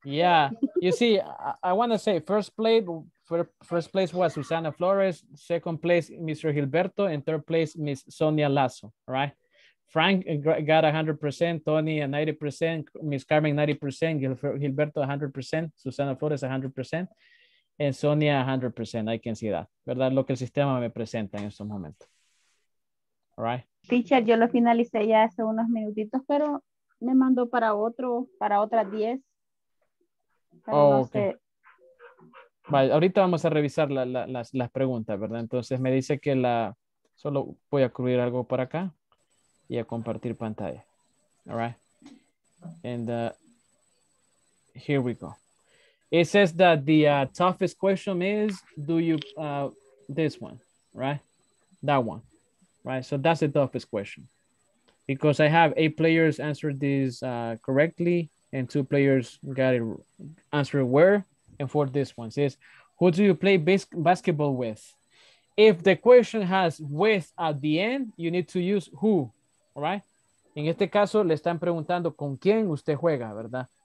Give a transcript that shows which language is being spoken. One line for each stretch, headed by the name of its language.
English: Yeah, you see, I want to say first play. First place was Susana Flores, second place Mr. Gilberto, and third place Miss Sonia Lasso, right? Frank got 100%, Tony 90%, Miss Carmen 90%, Gilberto 100%, Susana Flores 100%, and Sonia 100%, I can see that.
Spanish: ¿Verdad? Lo que el sistema me presenta en este momento.
English: All right?
Spanish: Teacher, yo lo finalicé ya hace unos minutitos, pero me mandó para otras 10.
English: Oh, no, okay.
Spanish: Vale, ahorita vamos a revisar las preguntas, ¿verdad? Entonces me dice que la solo voy a cubrir algo por acá y a compartir pantalla.
English: All right. And here we go. It says that the toughest question is do you this one, right? That one. Right? So that's the toughest question. Because I have 8 players answered this correctly and 2 players got it answered where. And for this one says, who do you play basketball with? If the question has with at the end, you need to use who, all right?
Spanish: En este caso, le están preguntando con quién usted juega, ¿verdad?